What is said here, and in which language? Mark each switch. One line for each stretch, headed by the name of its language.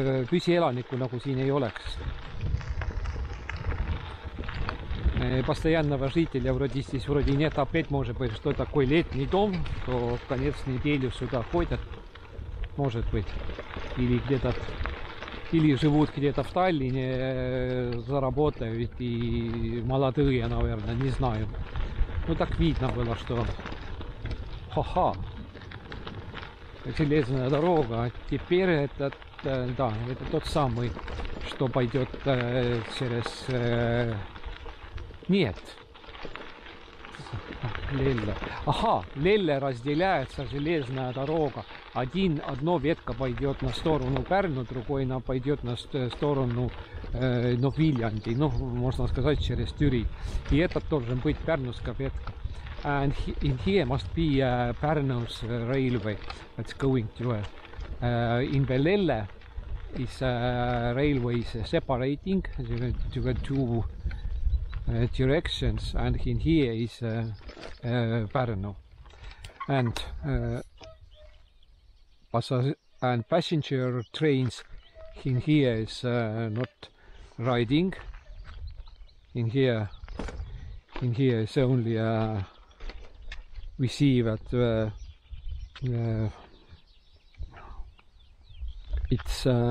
Estonian: püsielaniku nagu siin ei oleks.
Russian: Постоянного жителя вроде здесь вроде нет, опять может быть, что такой летний дом, то в конец недели сюда ходят, может быть, или где-то, или живут где-то в Таллине, заработают и молодые, наверное, не знаю. Ну так видно было, что ха-ха, железная дорога, а теперь этот, да, это тот самый, что пойдет через... Нет. Лелле. Ага, Лелле разделяется железная дорога. Одно ветка пойдет на сторону Перну, другой она пойдет на сторону Вильянди. Ну, можно сказать, через Тюри. И это должен быть Пернуская ветка.
English: And in here must be a Pärnus railway that's going to in the Lelle is a railway separating to the two directions, and in here is Pärnu, and passenger trains in here is not riding, in here is only we see that it's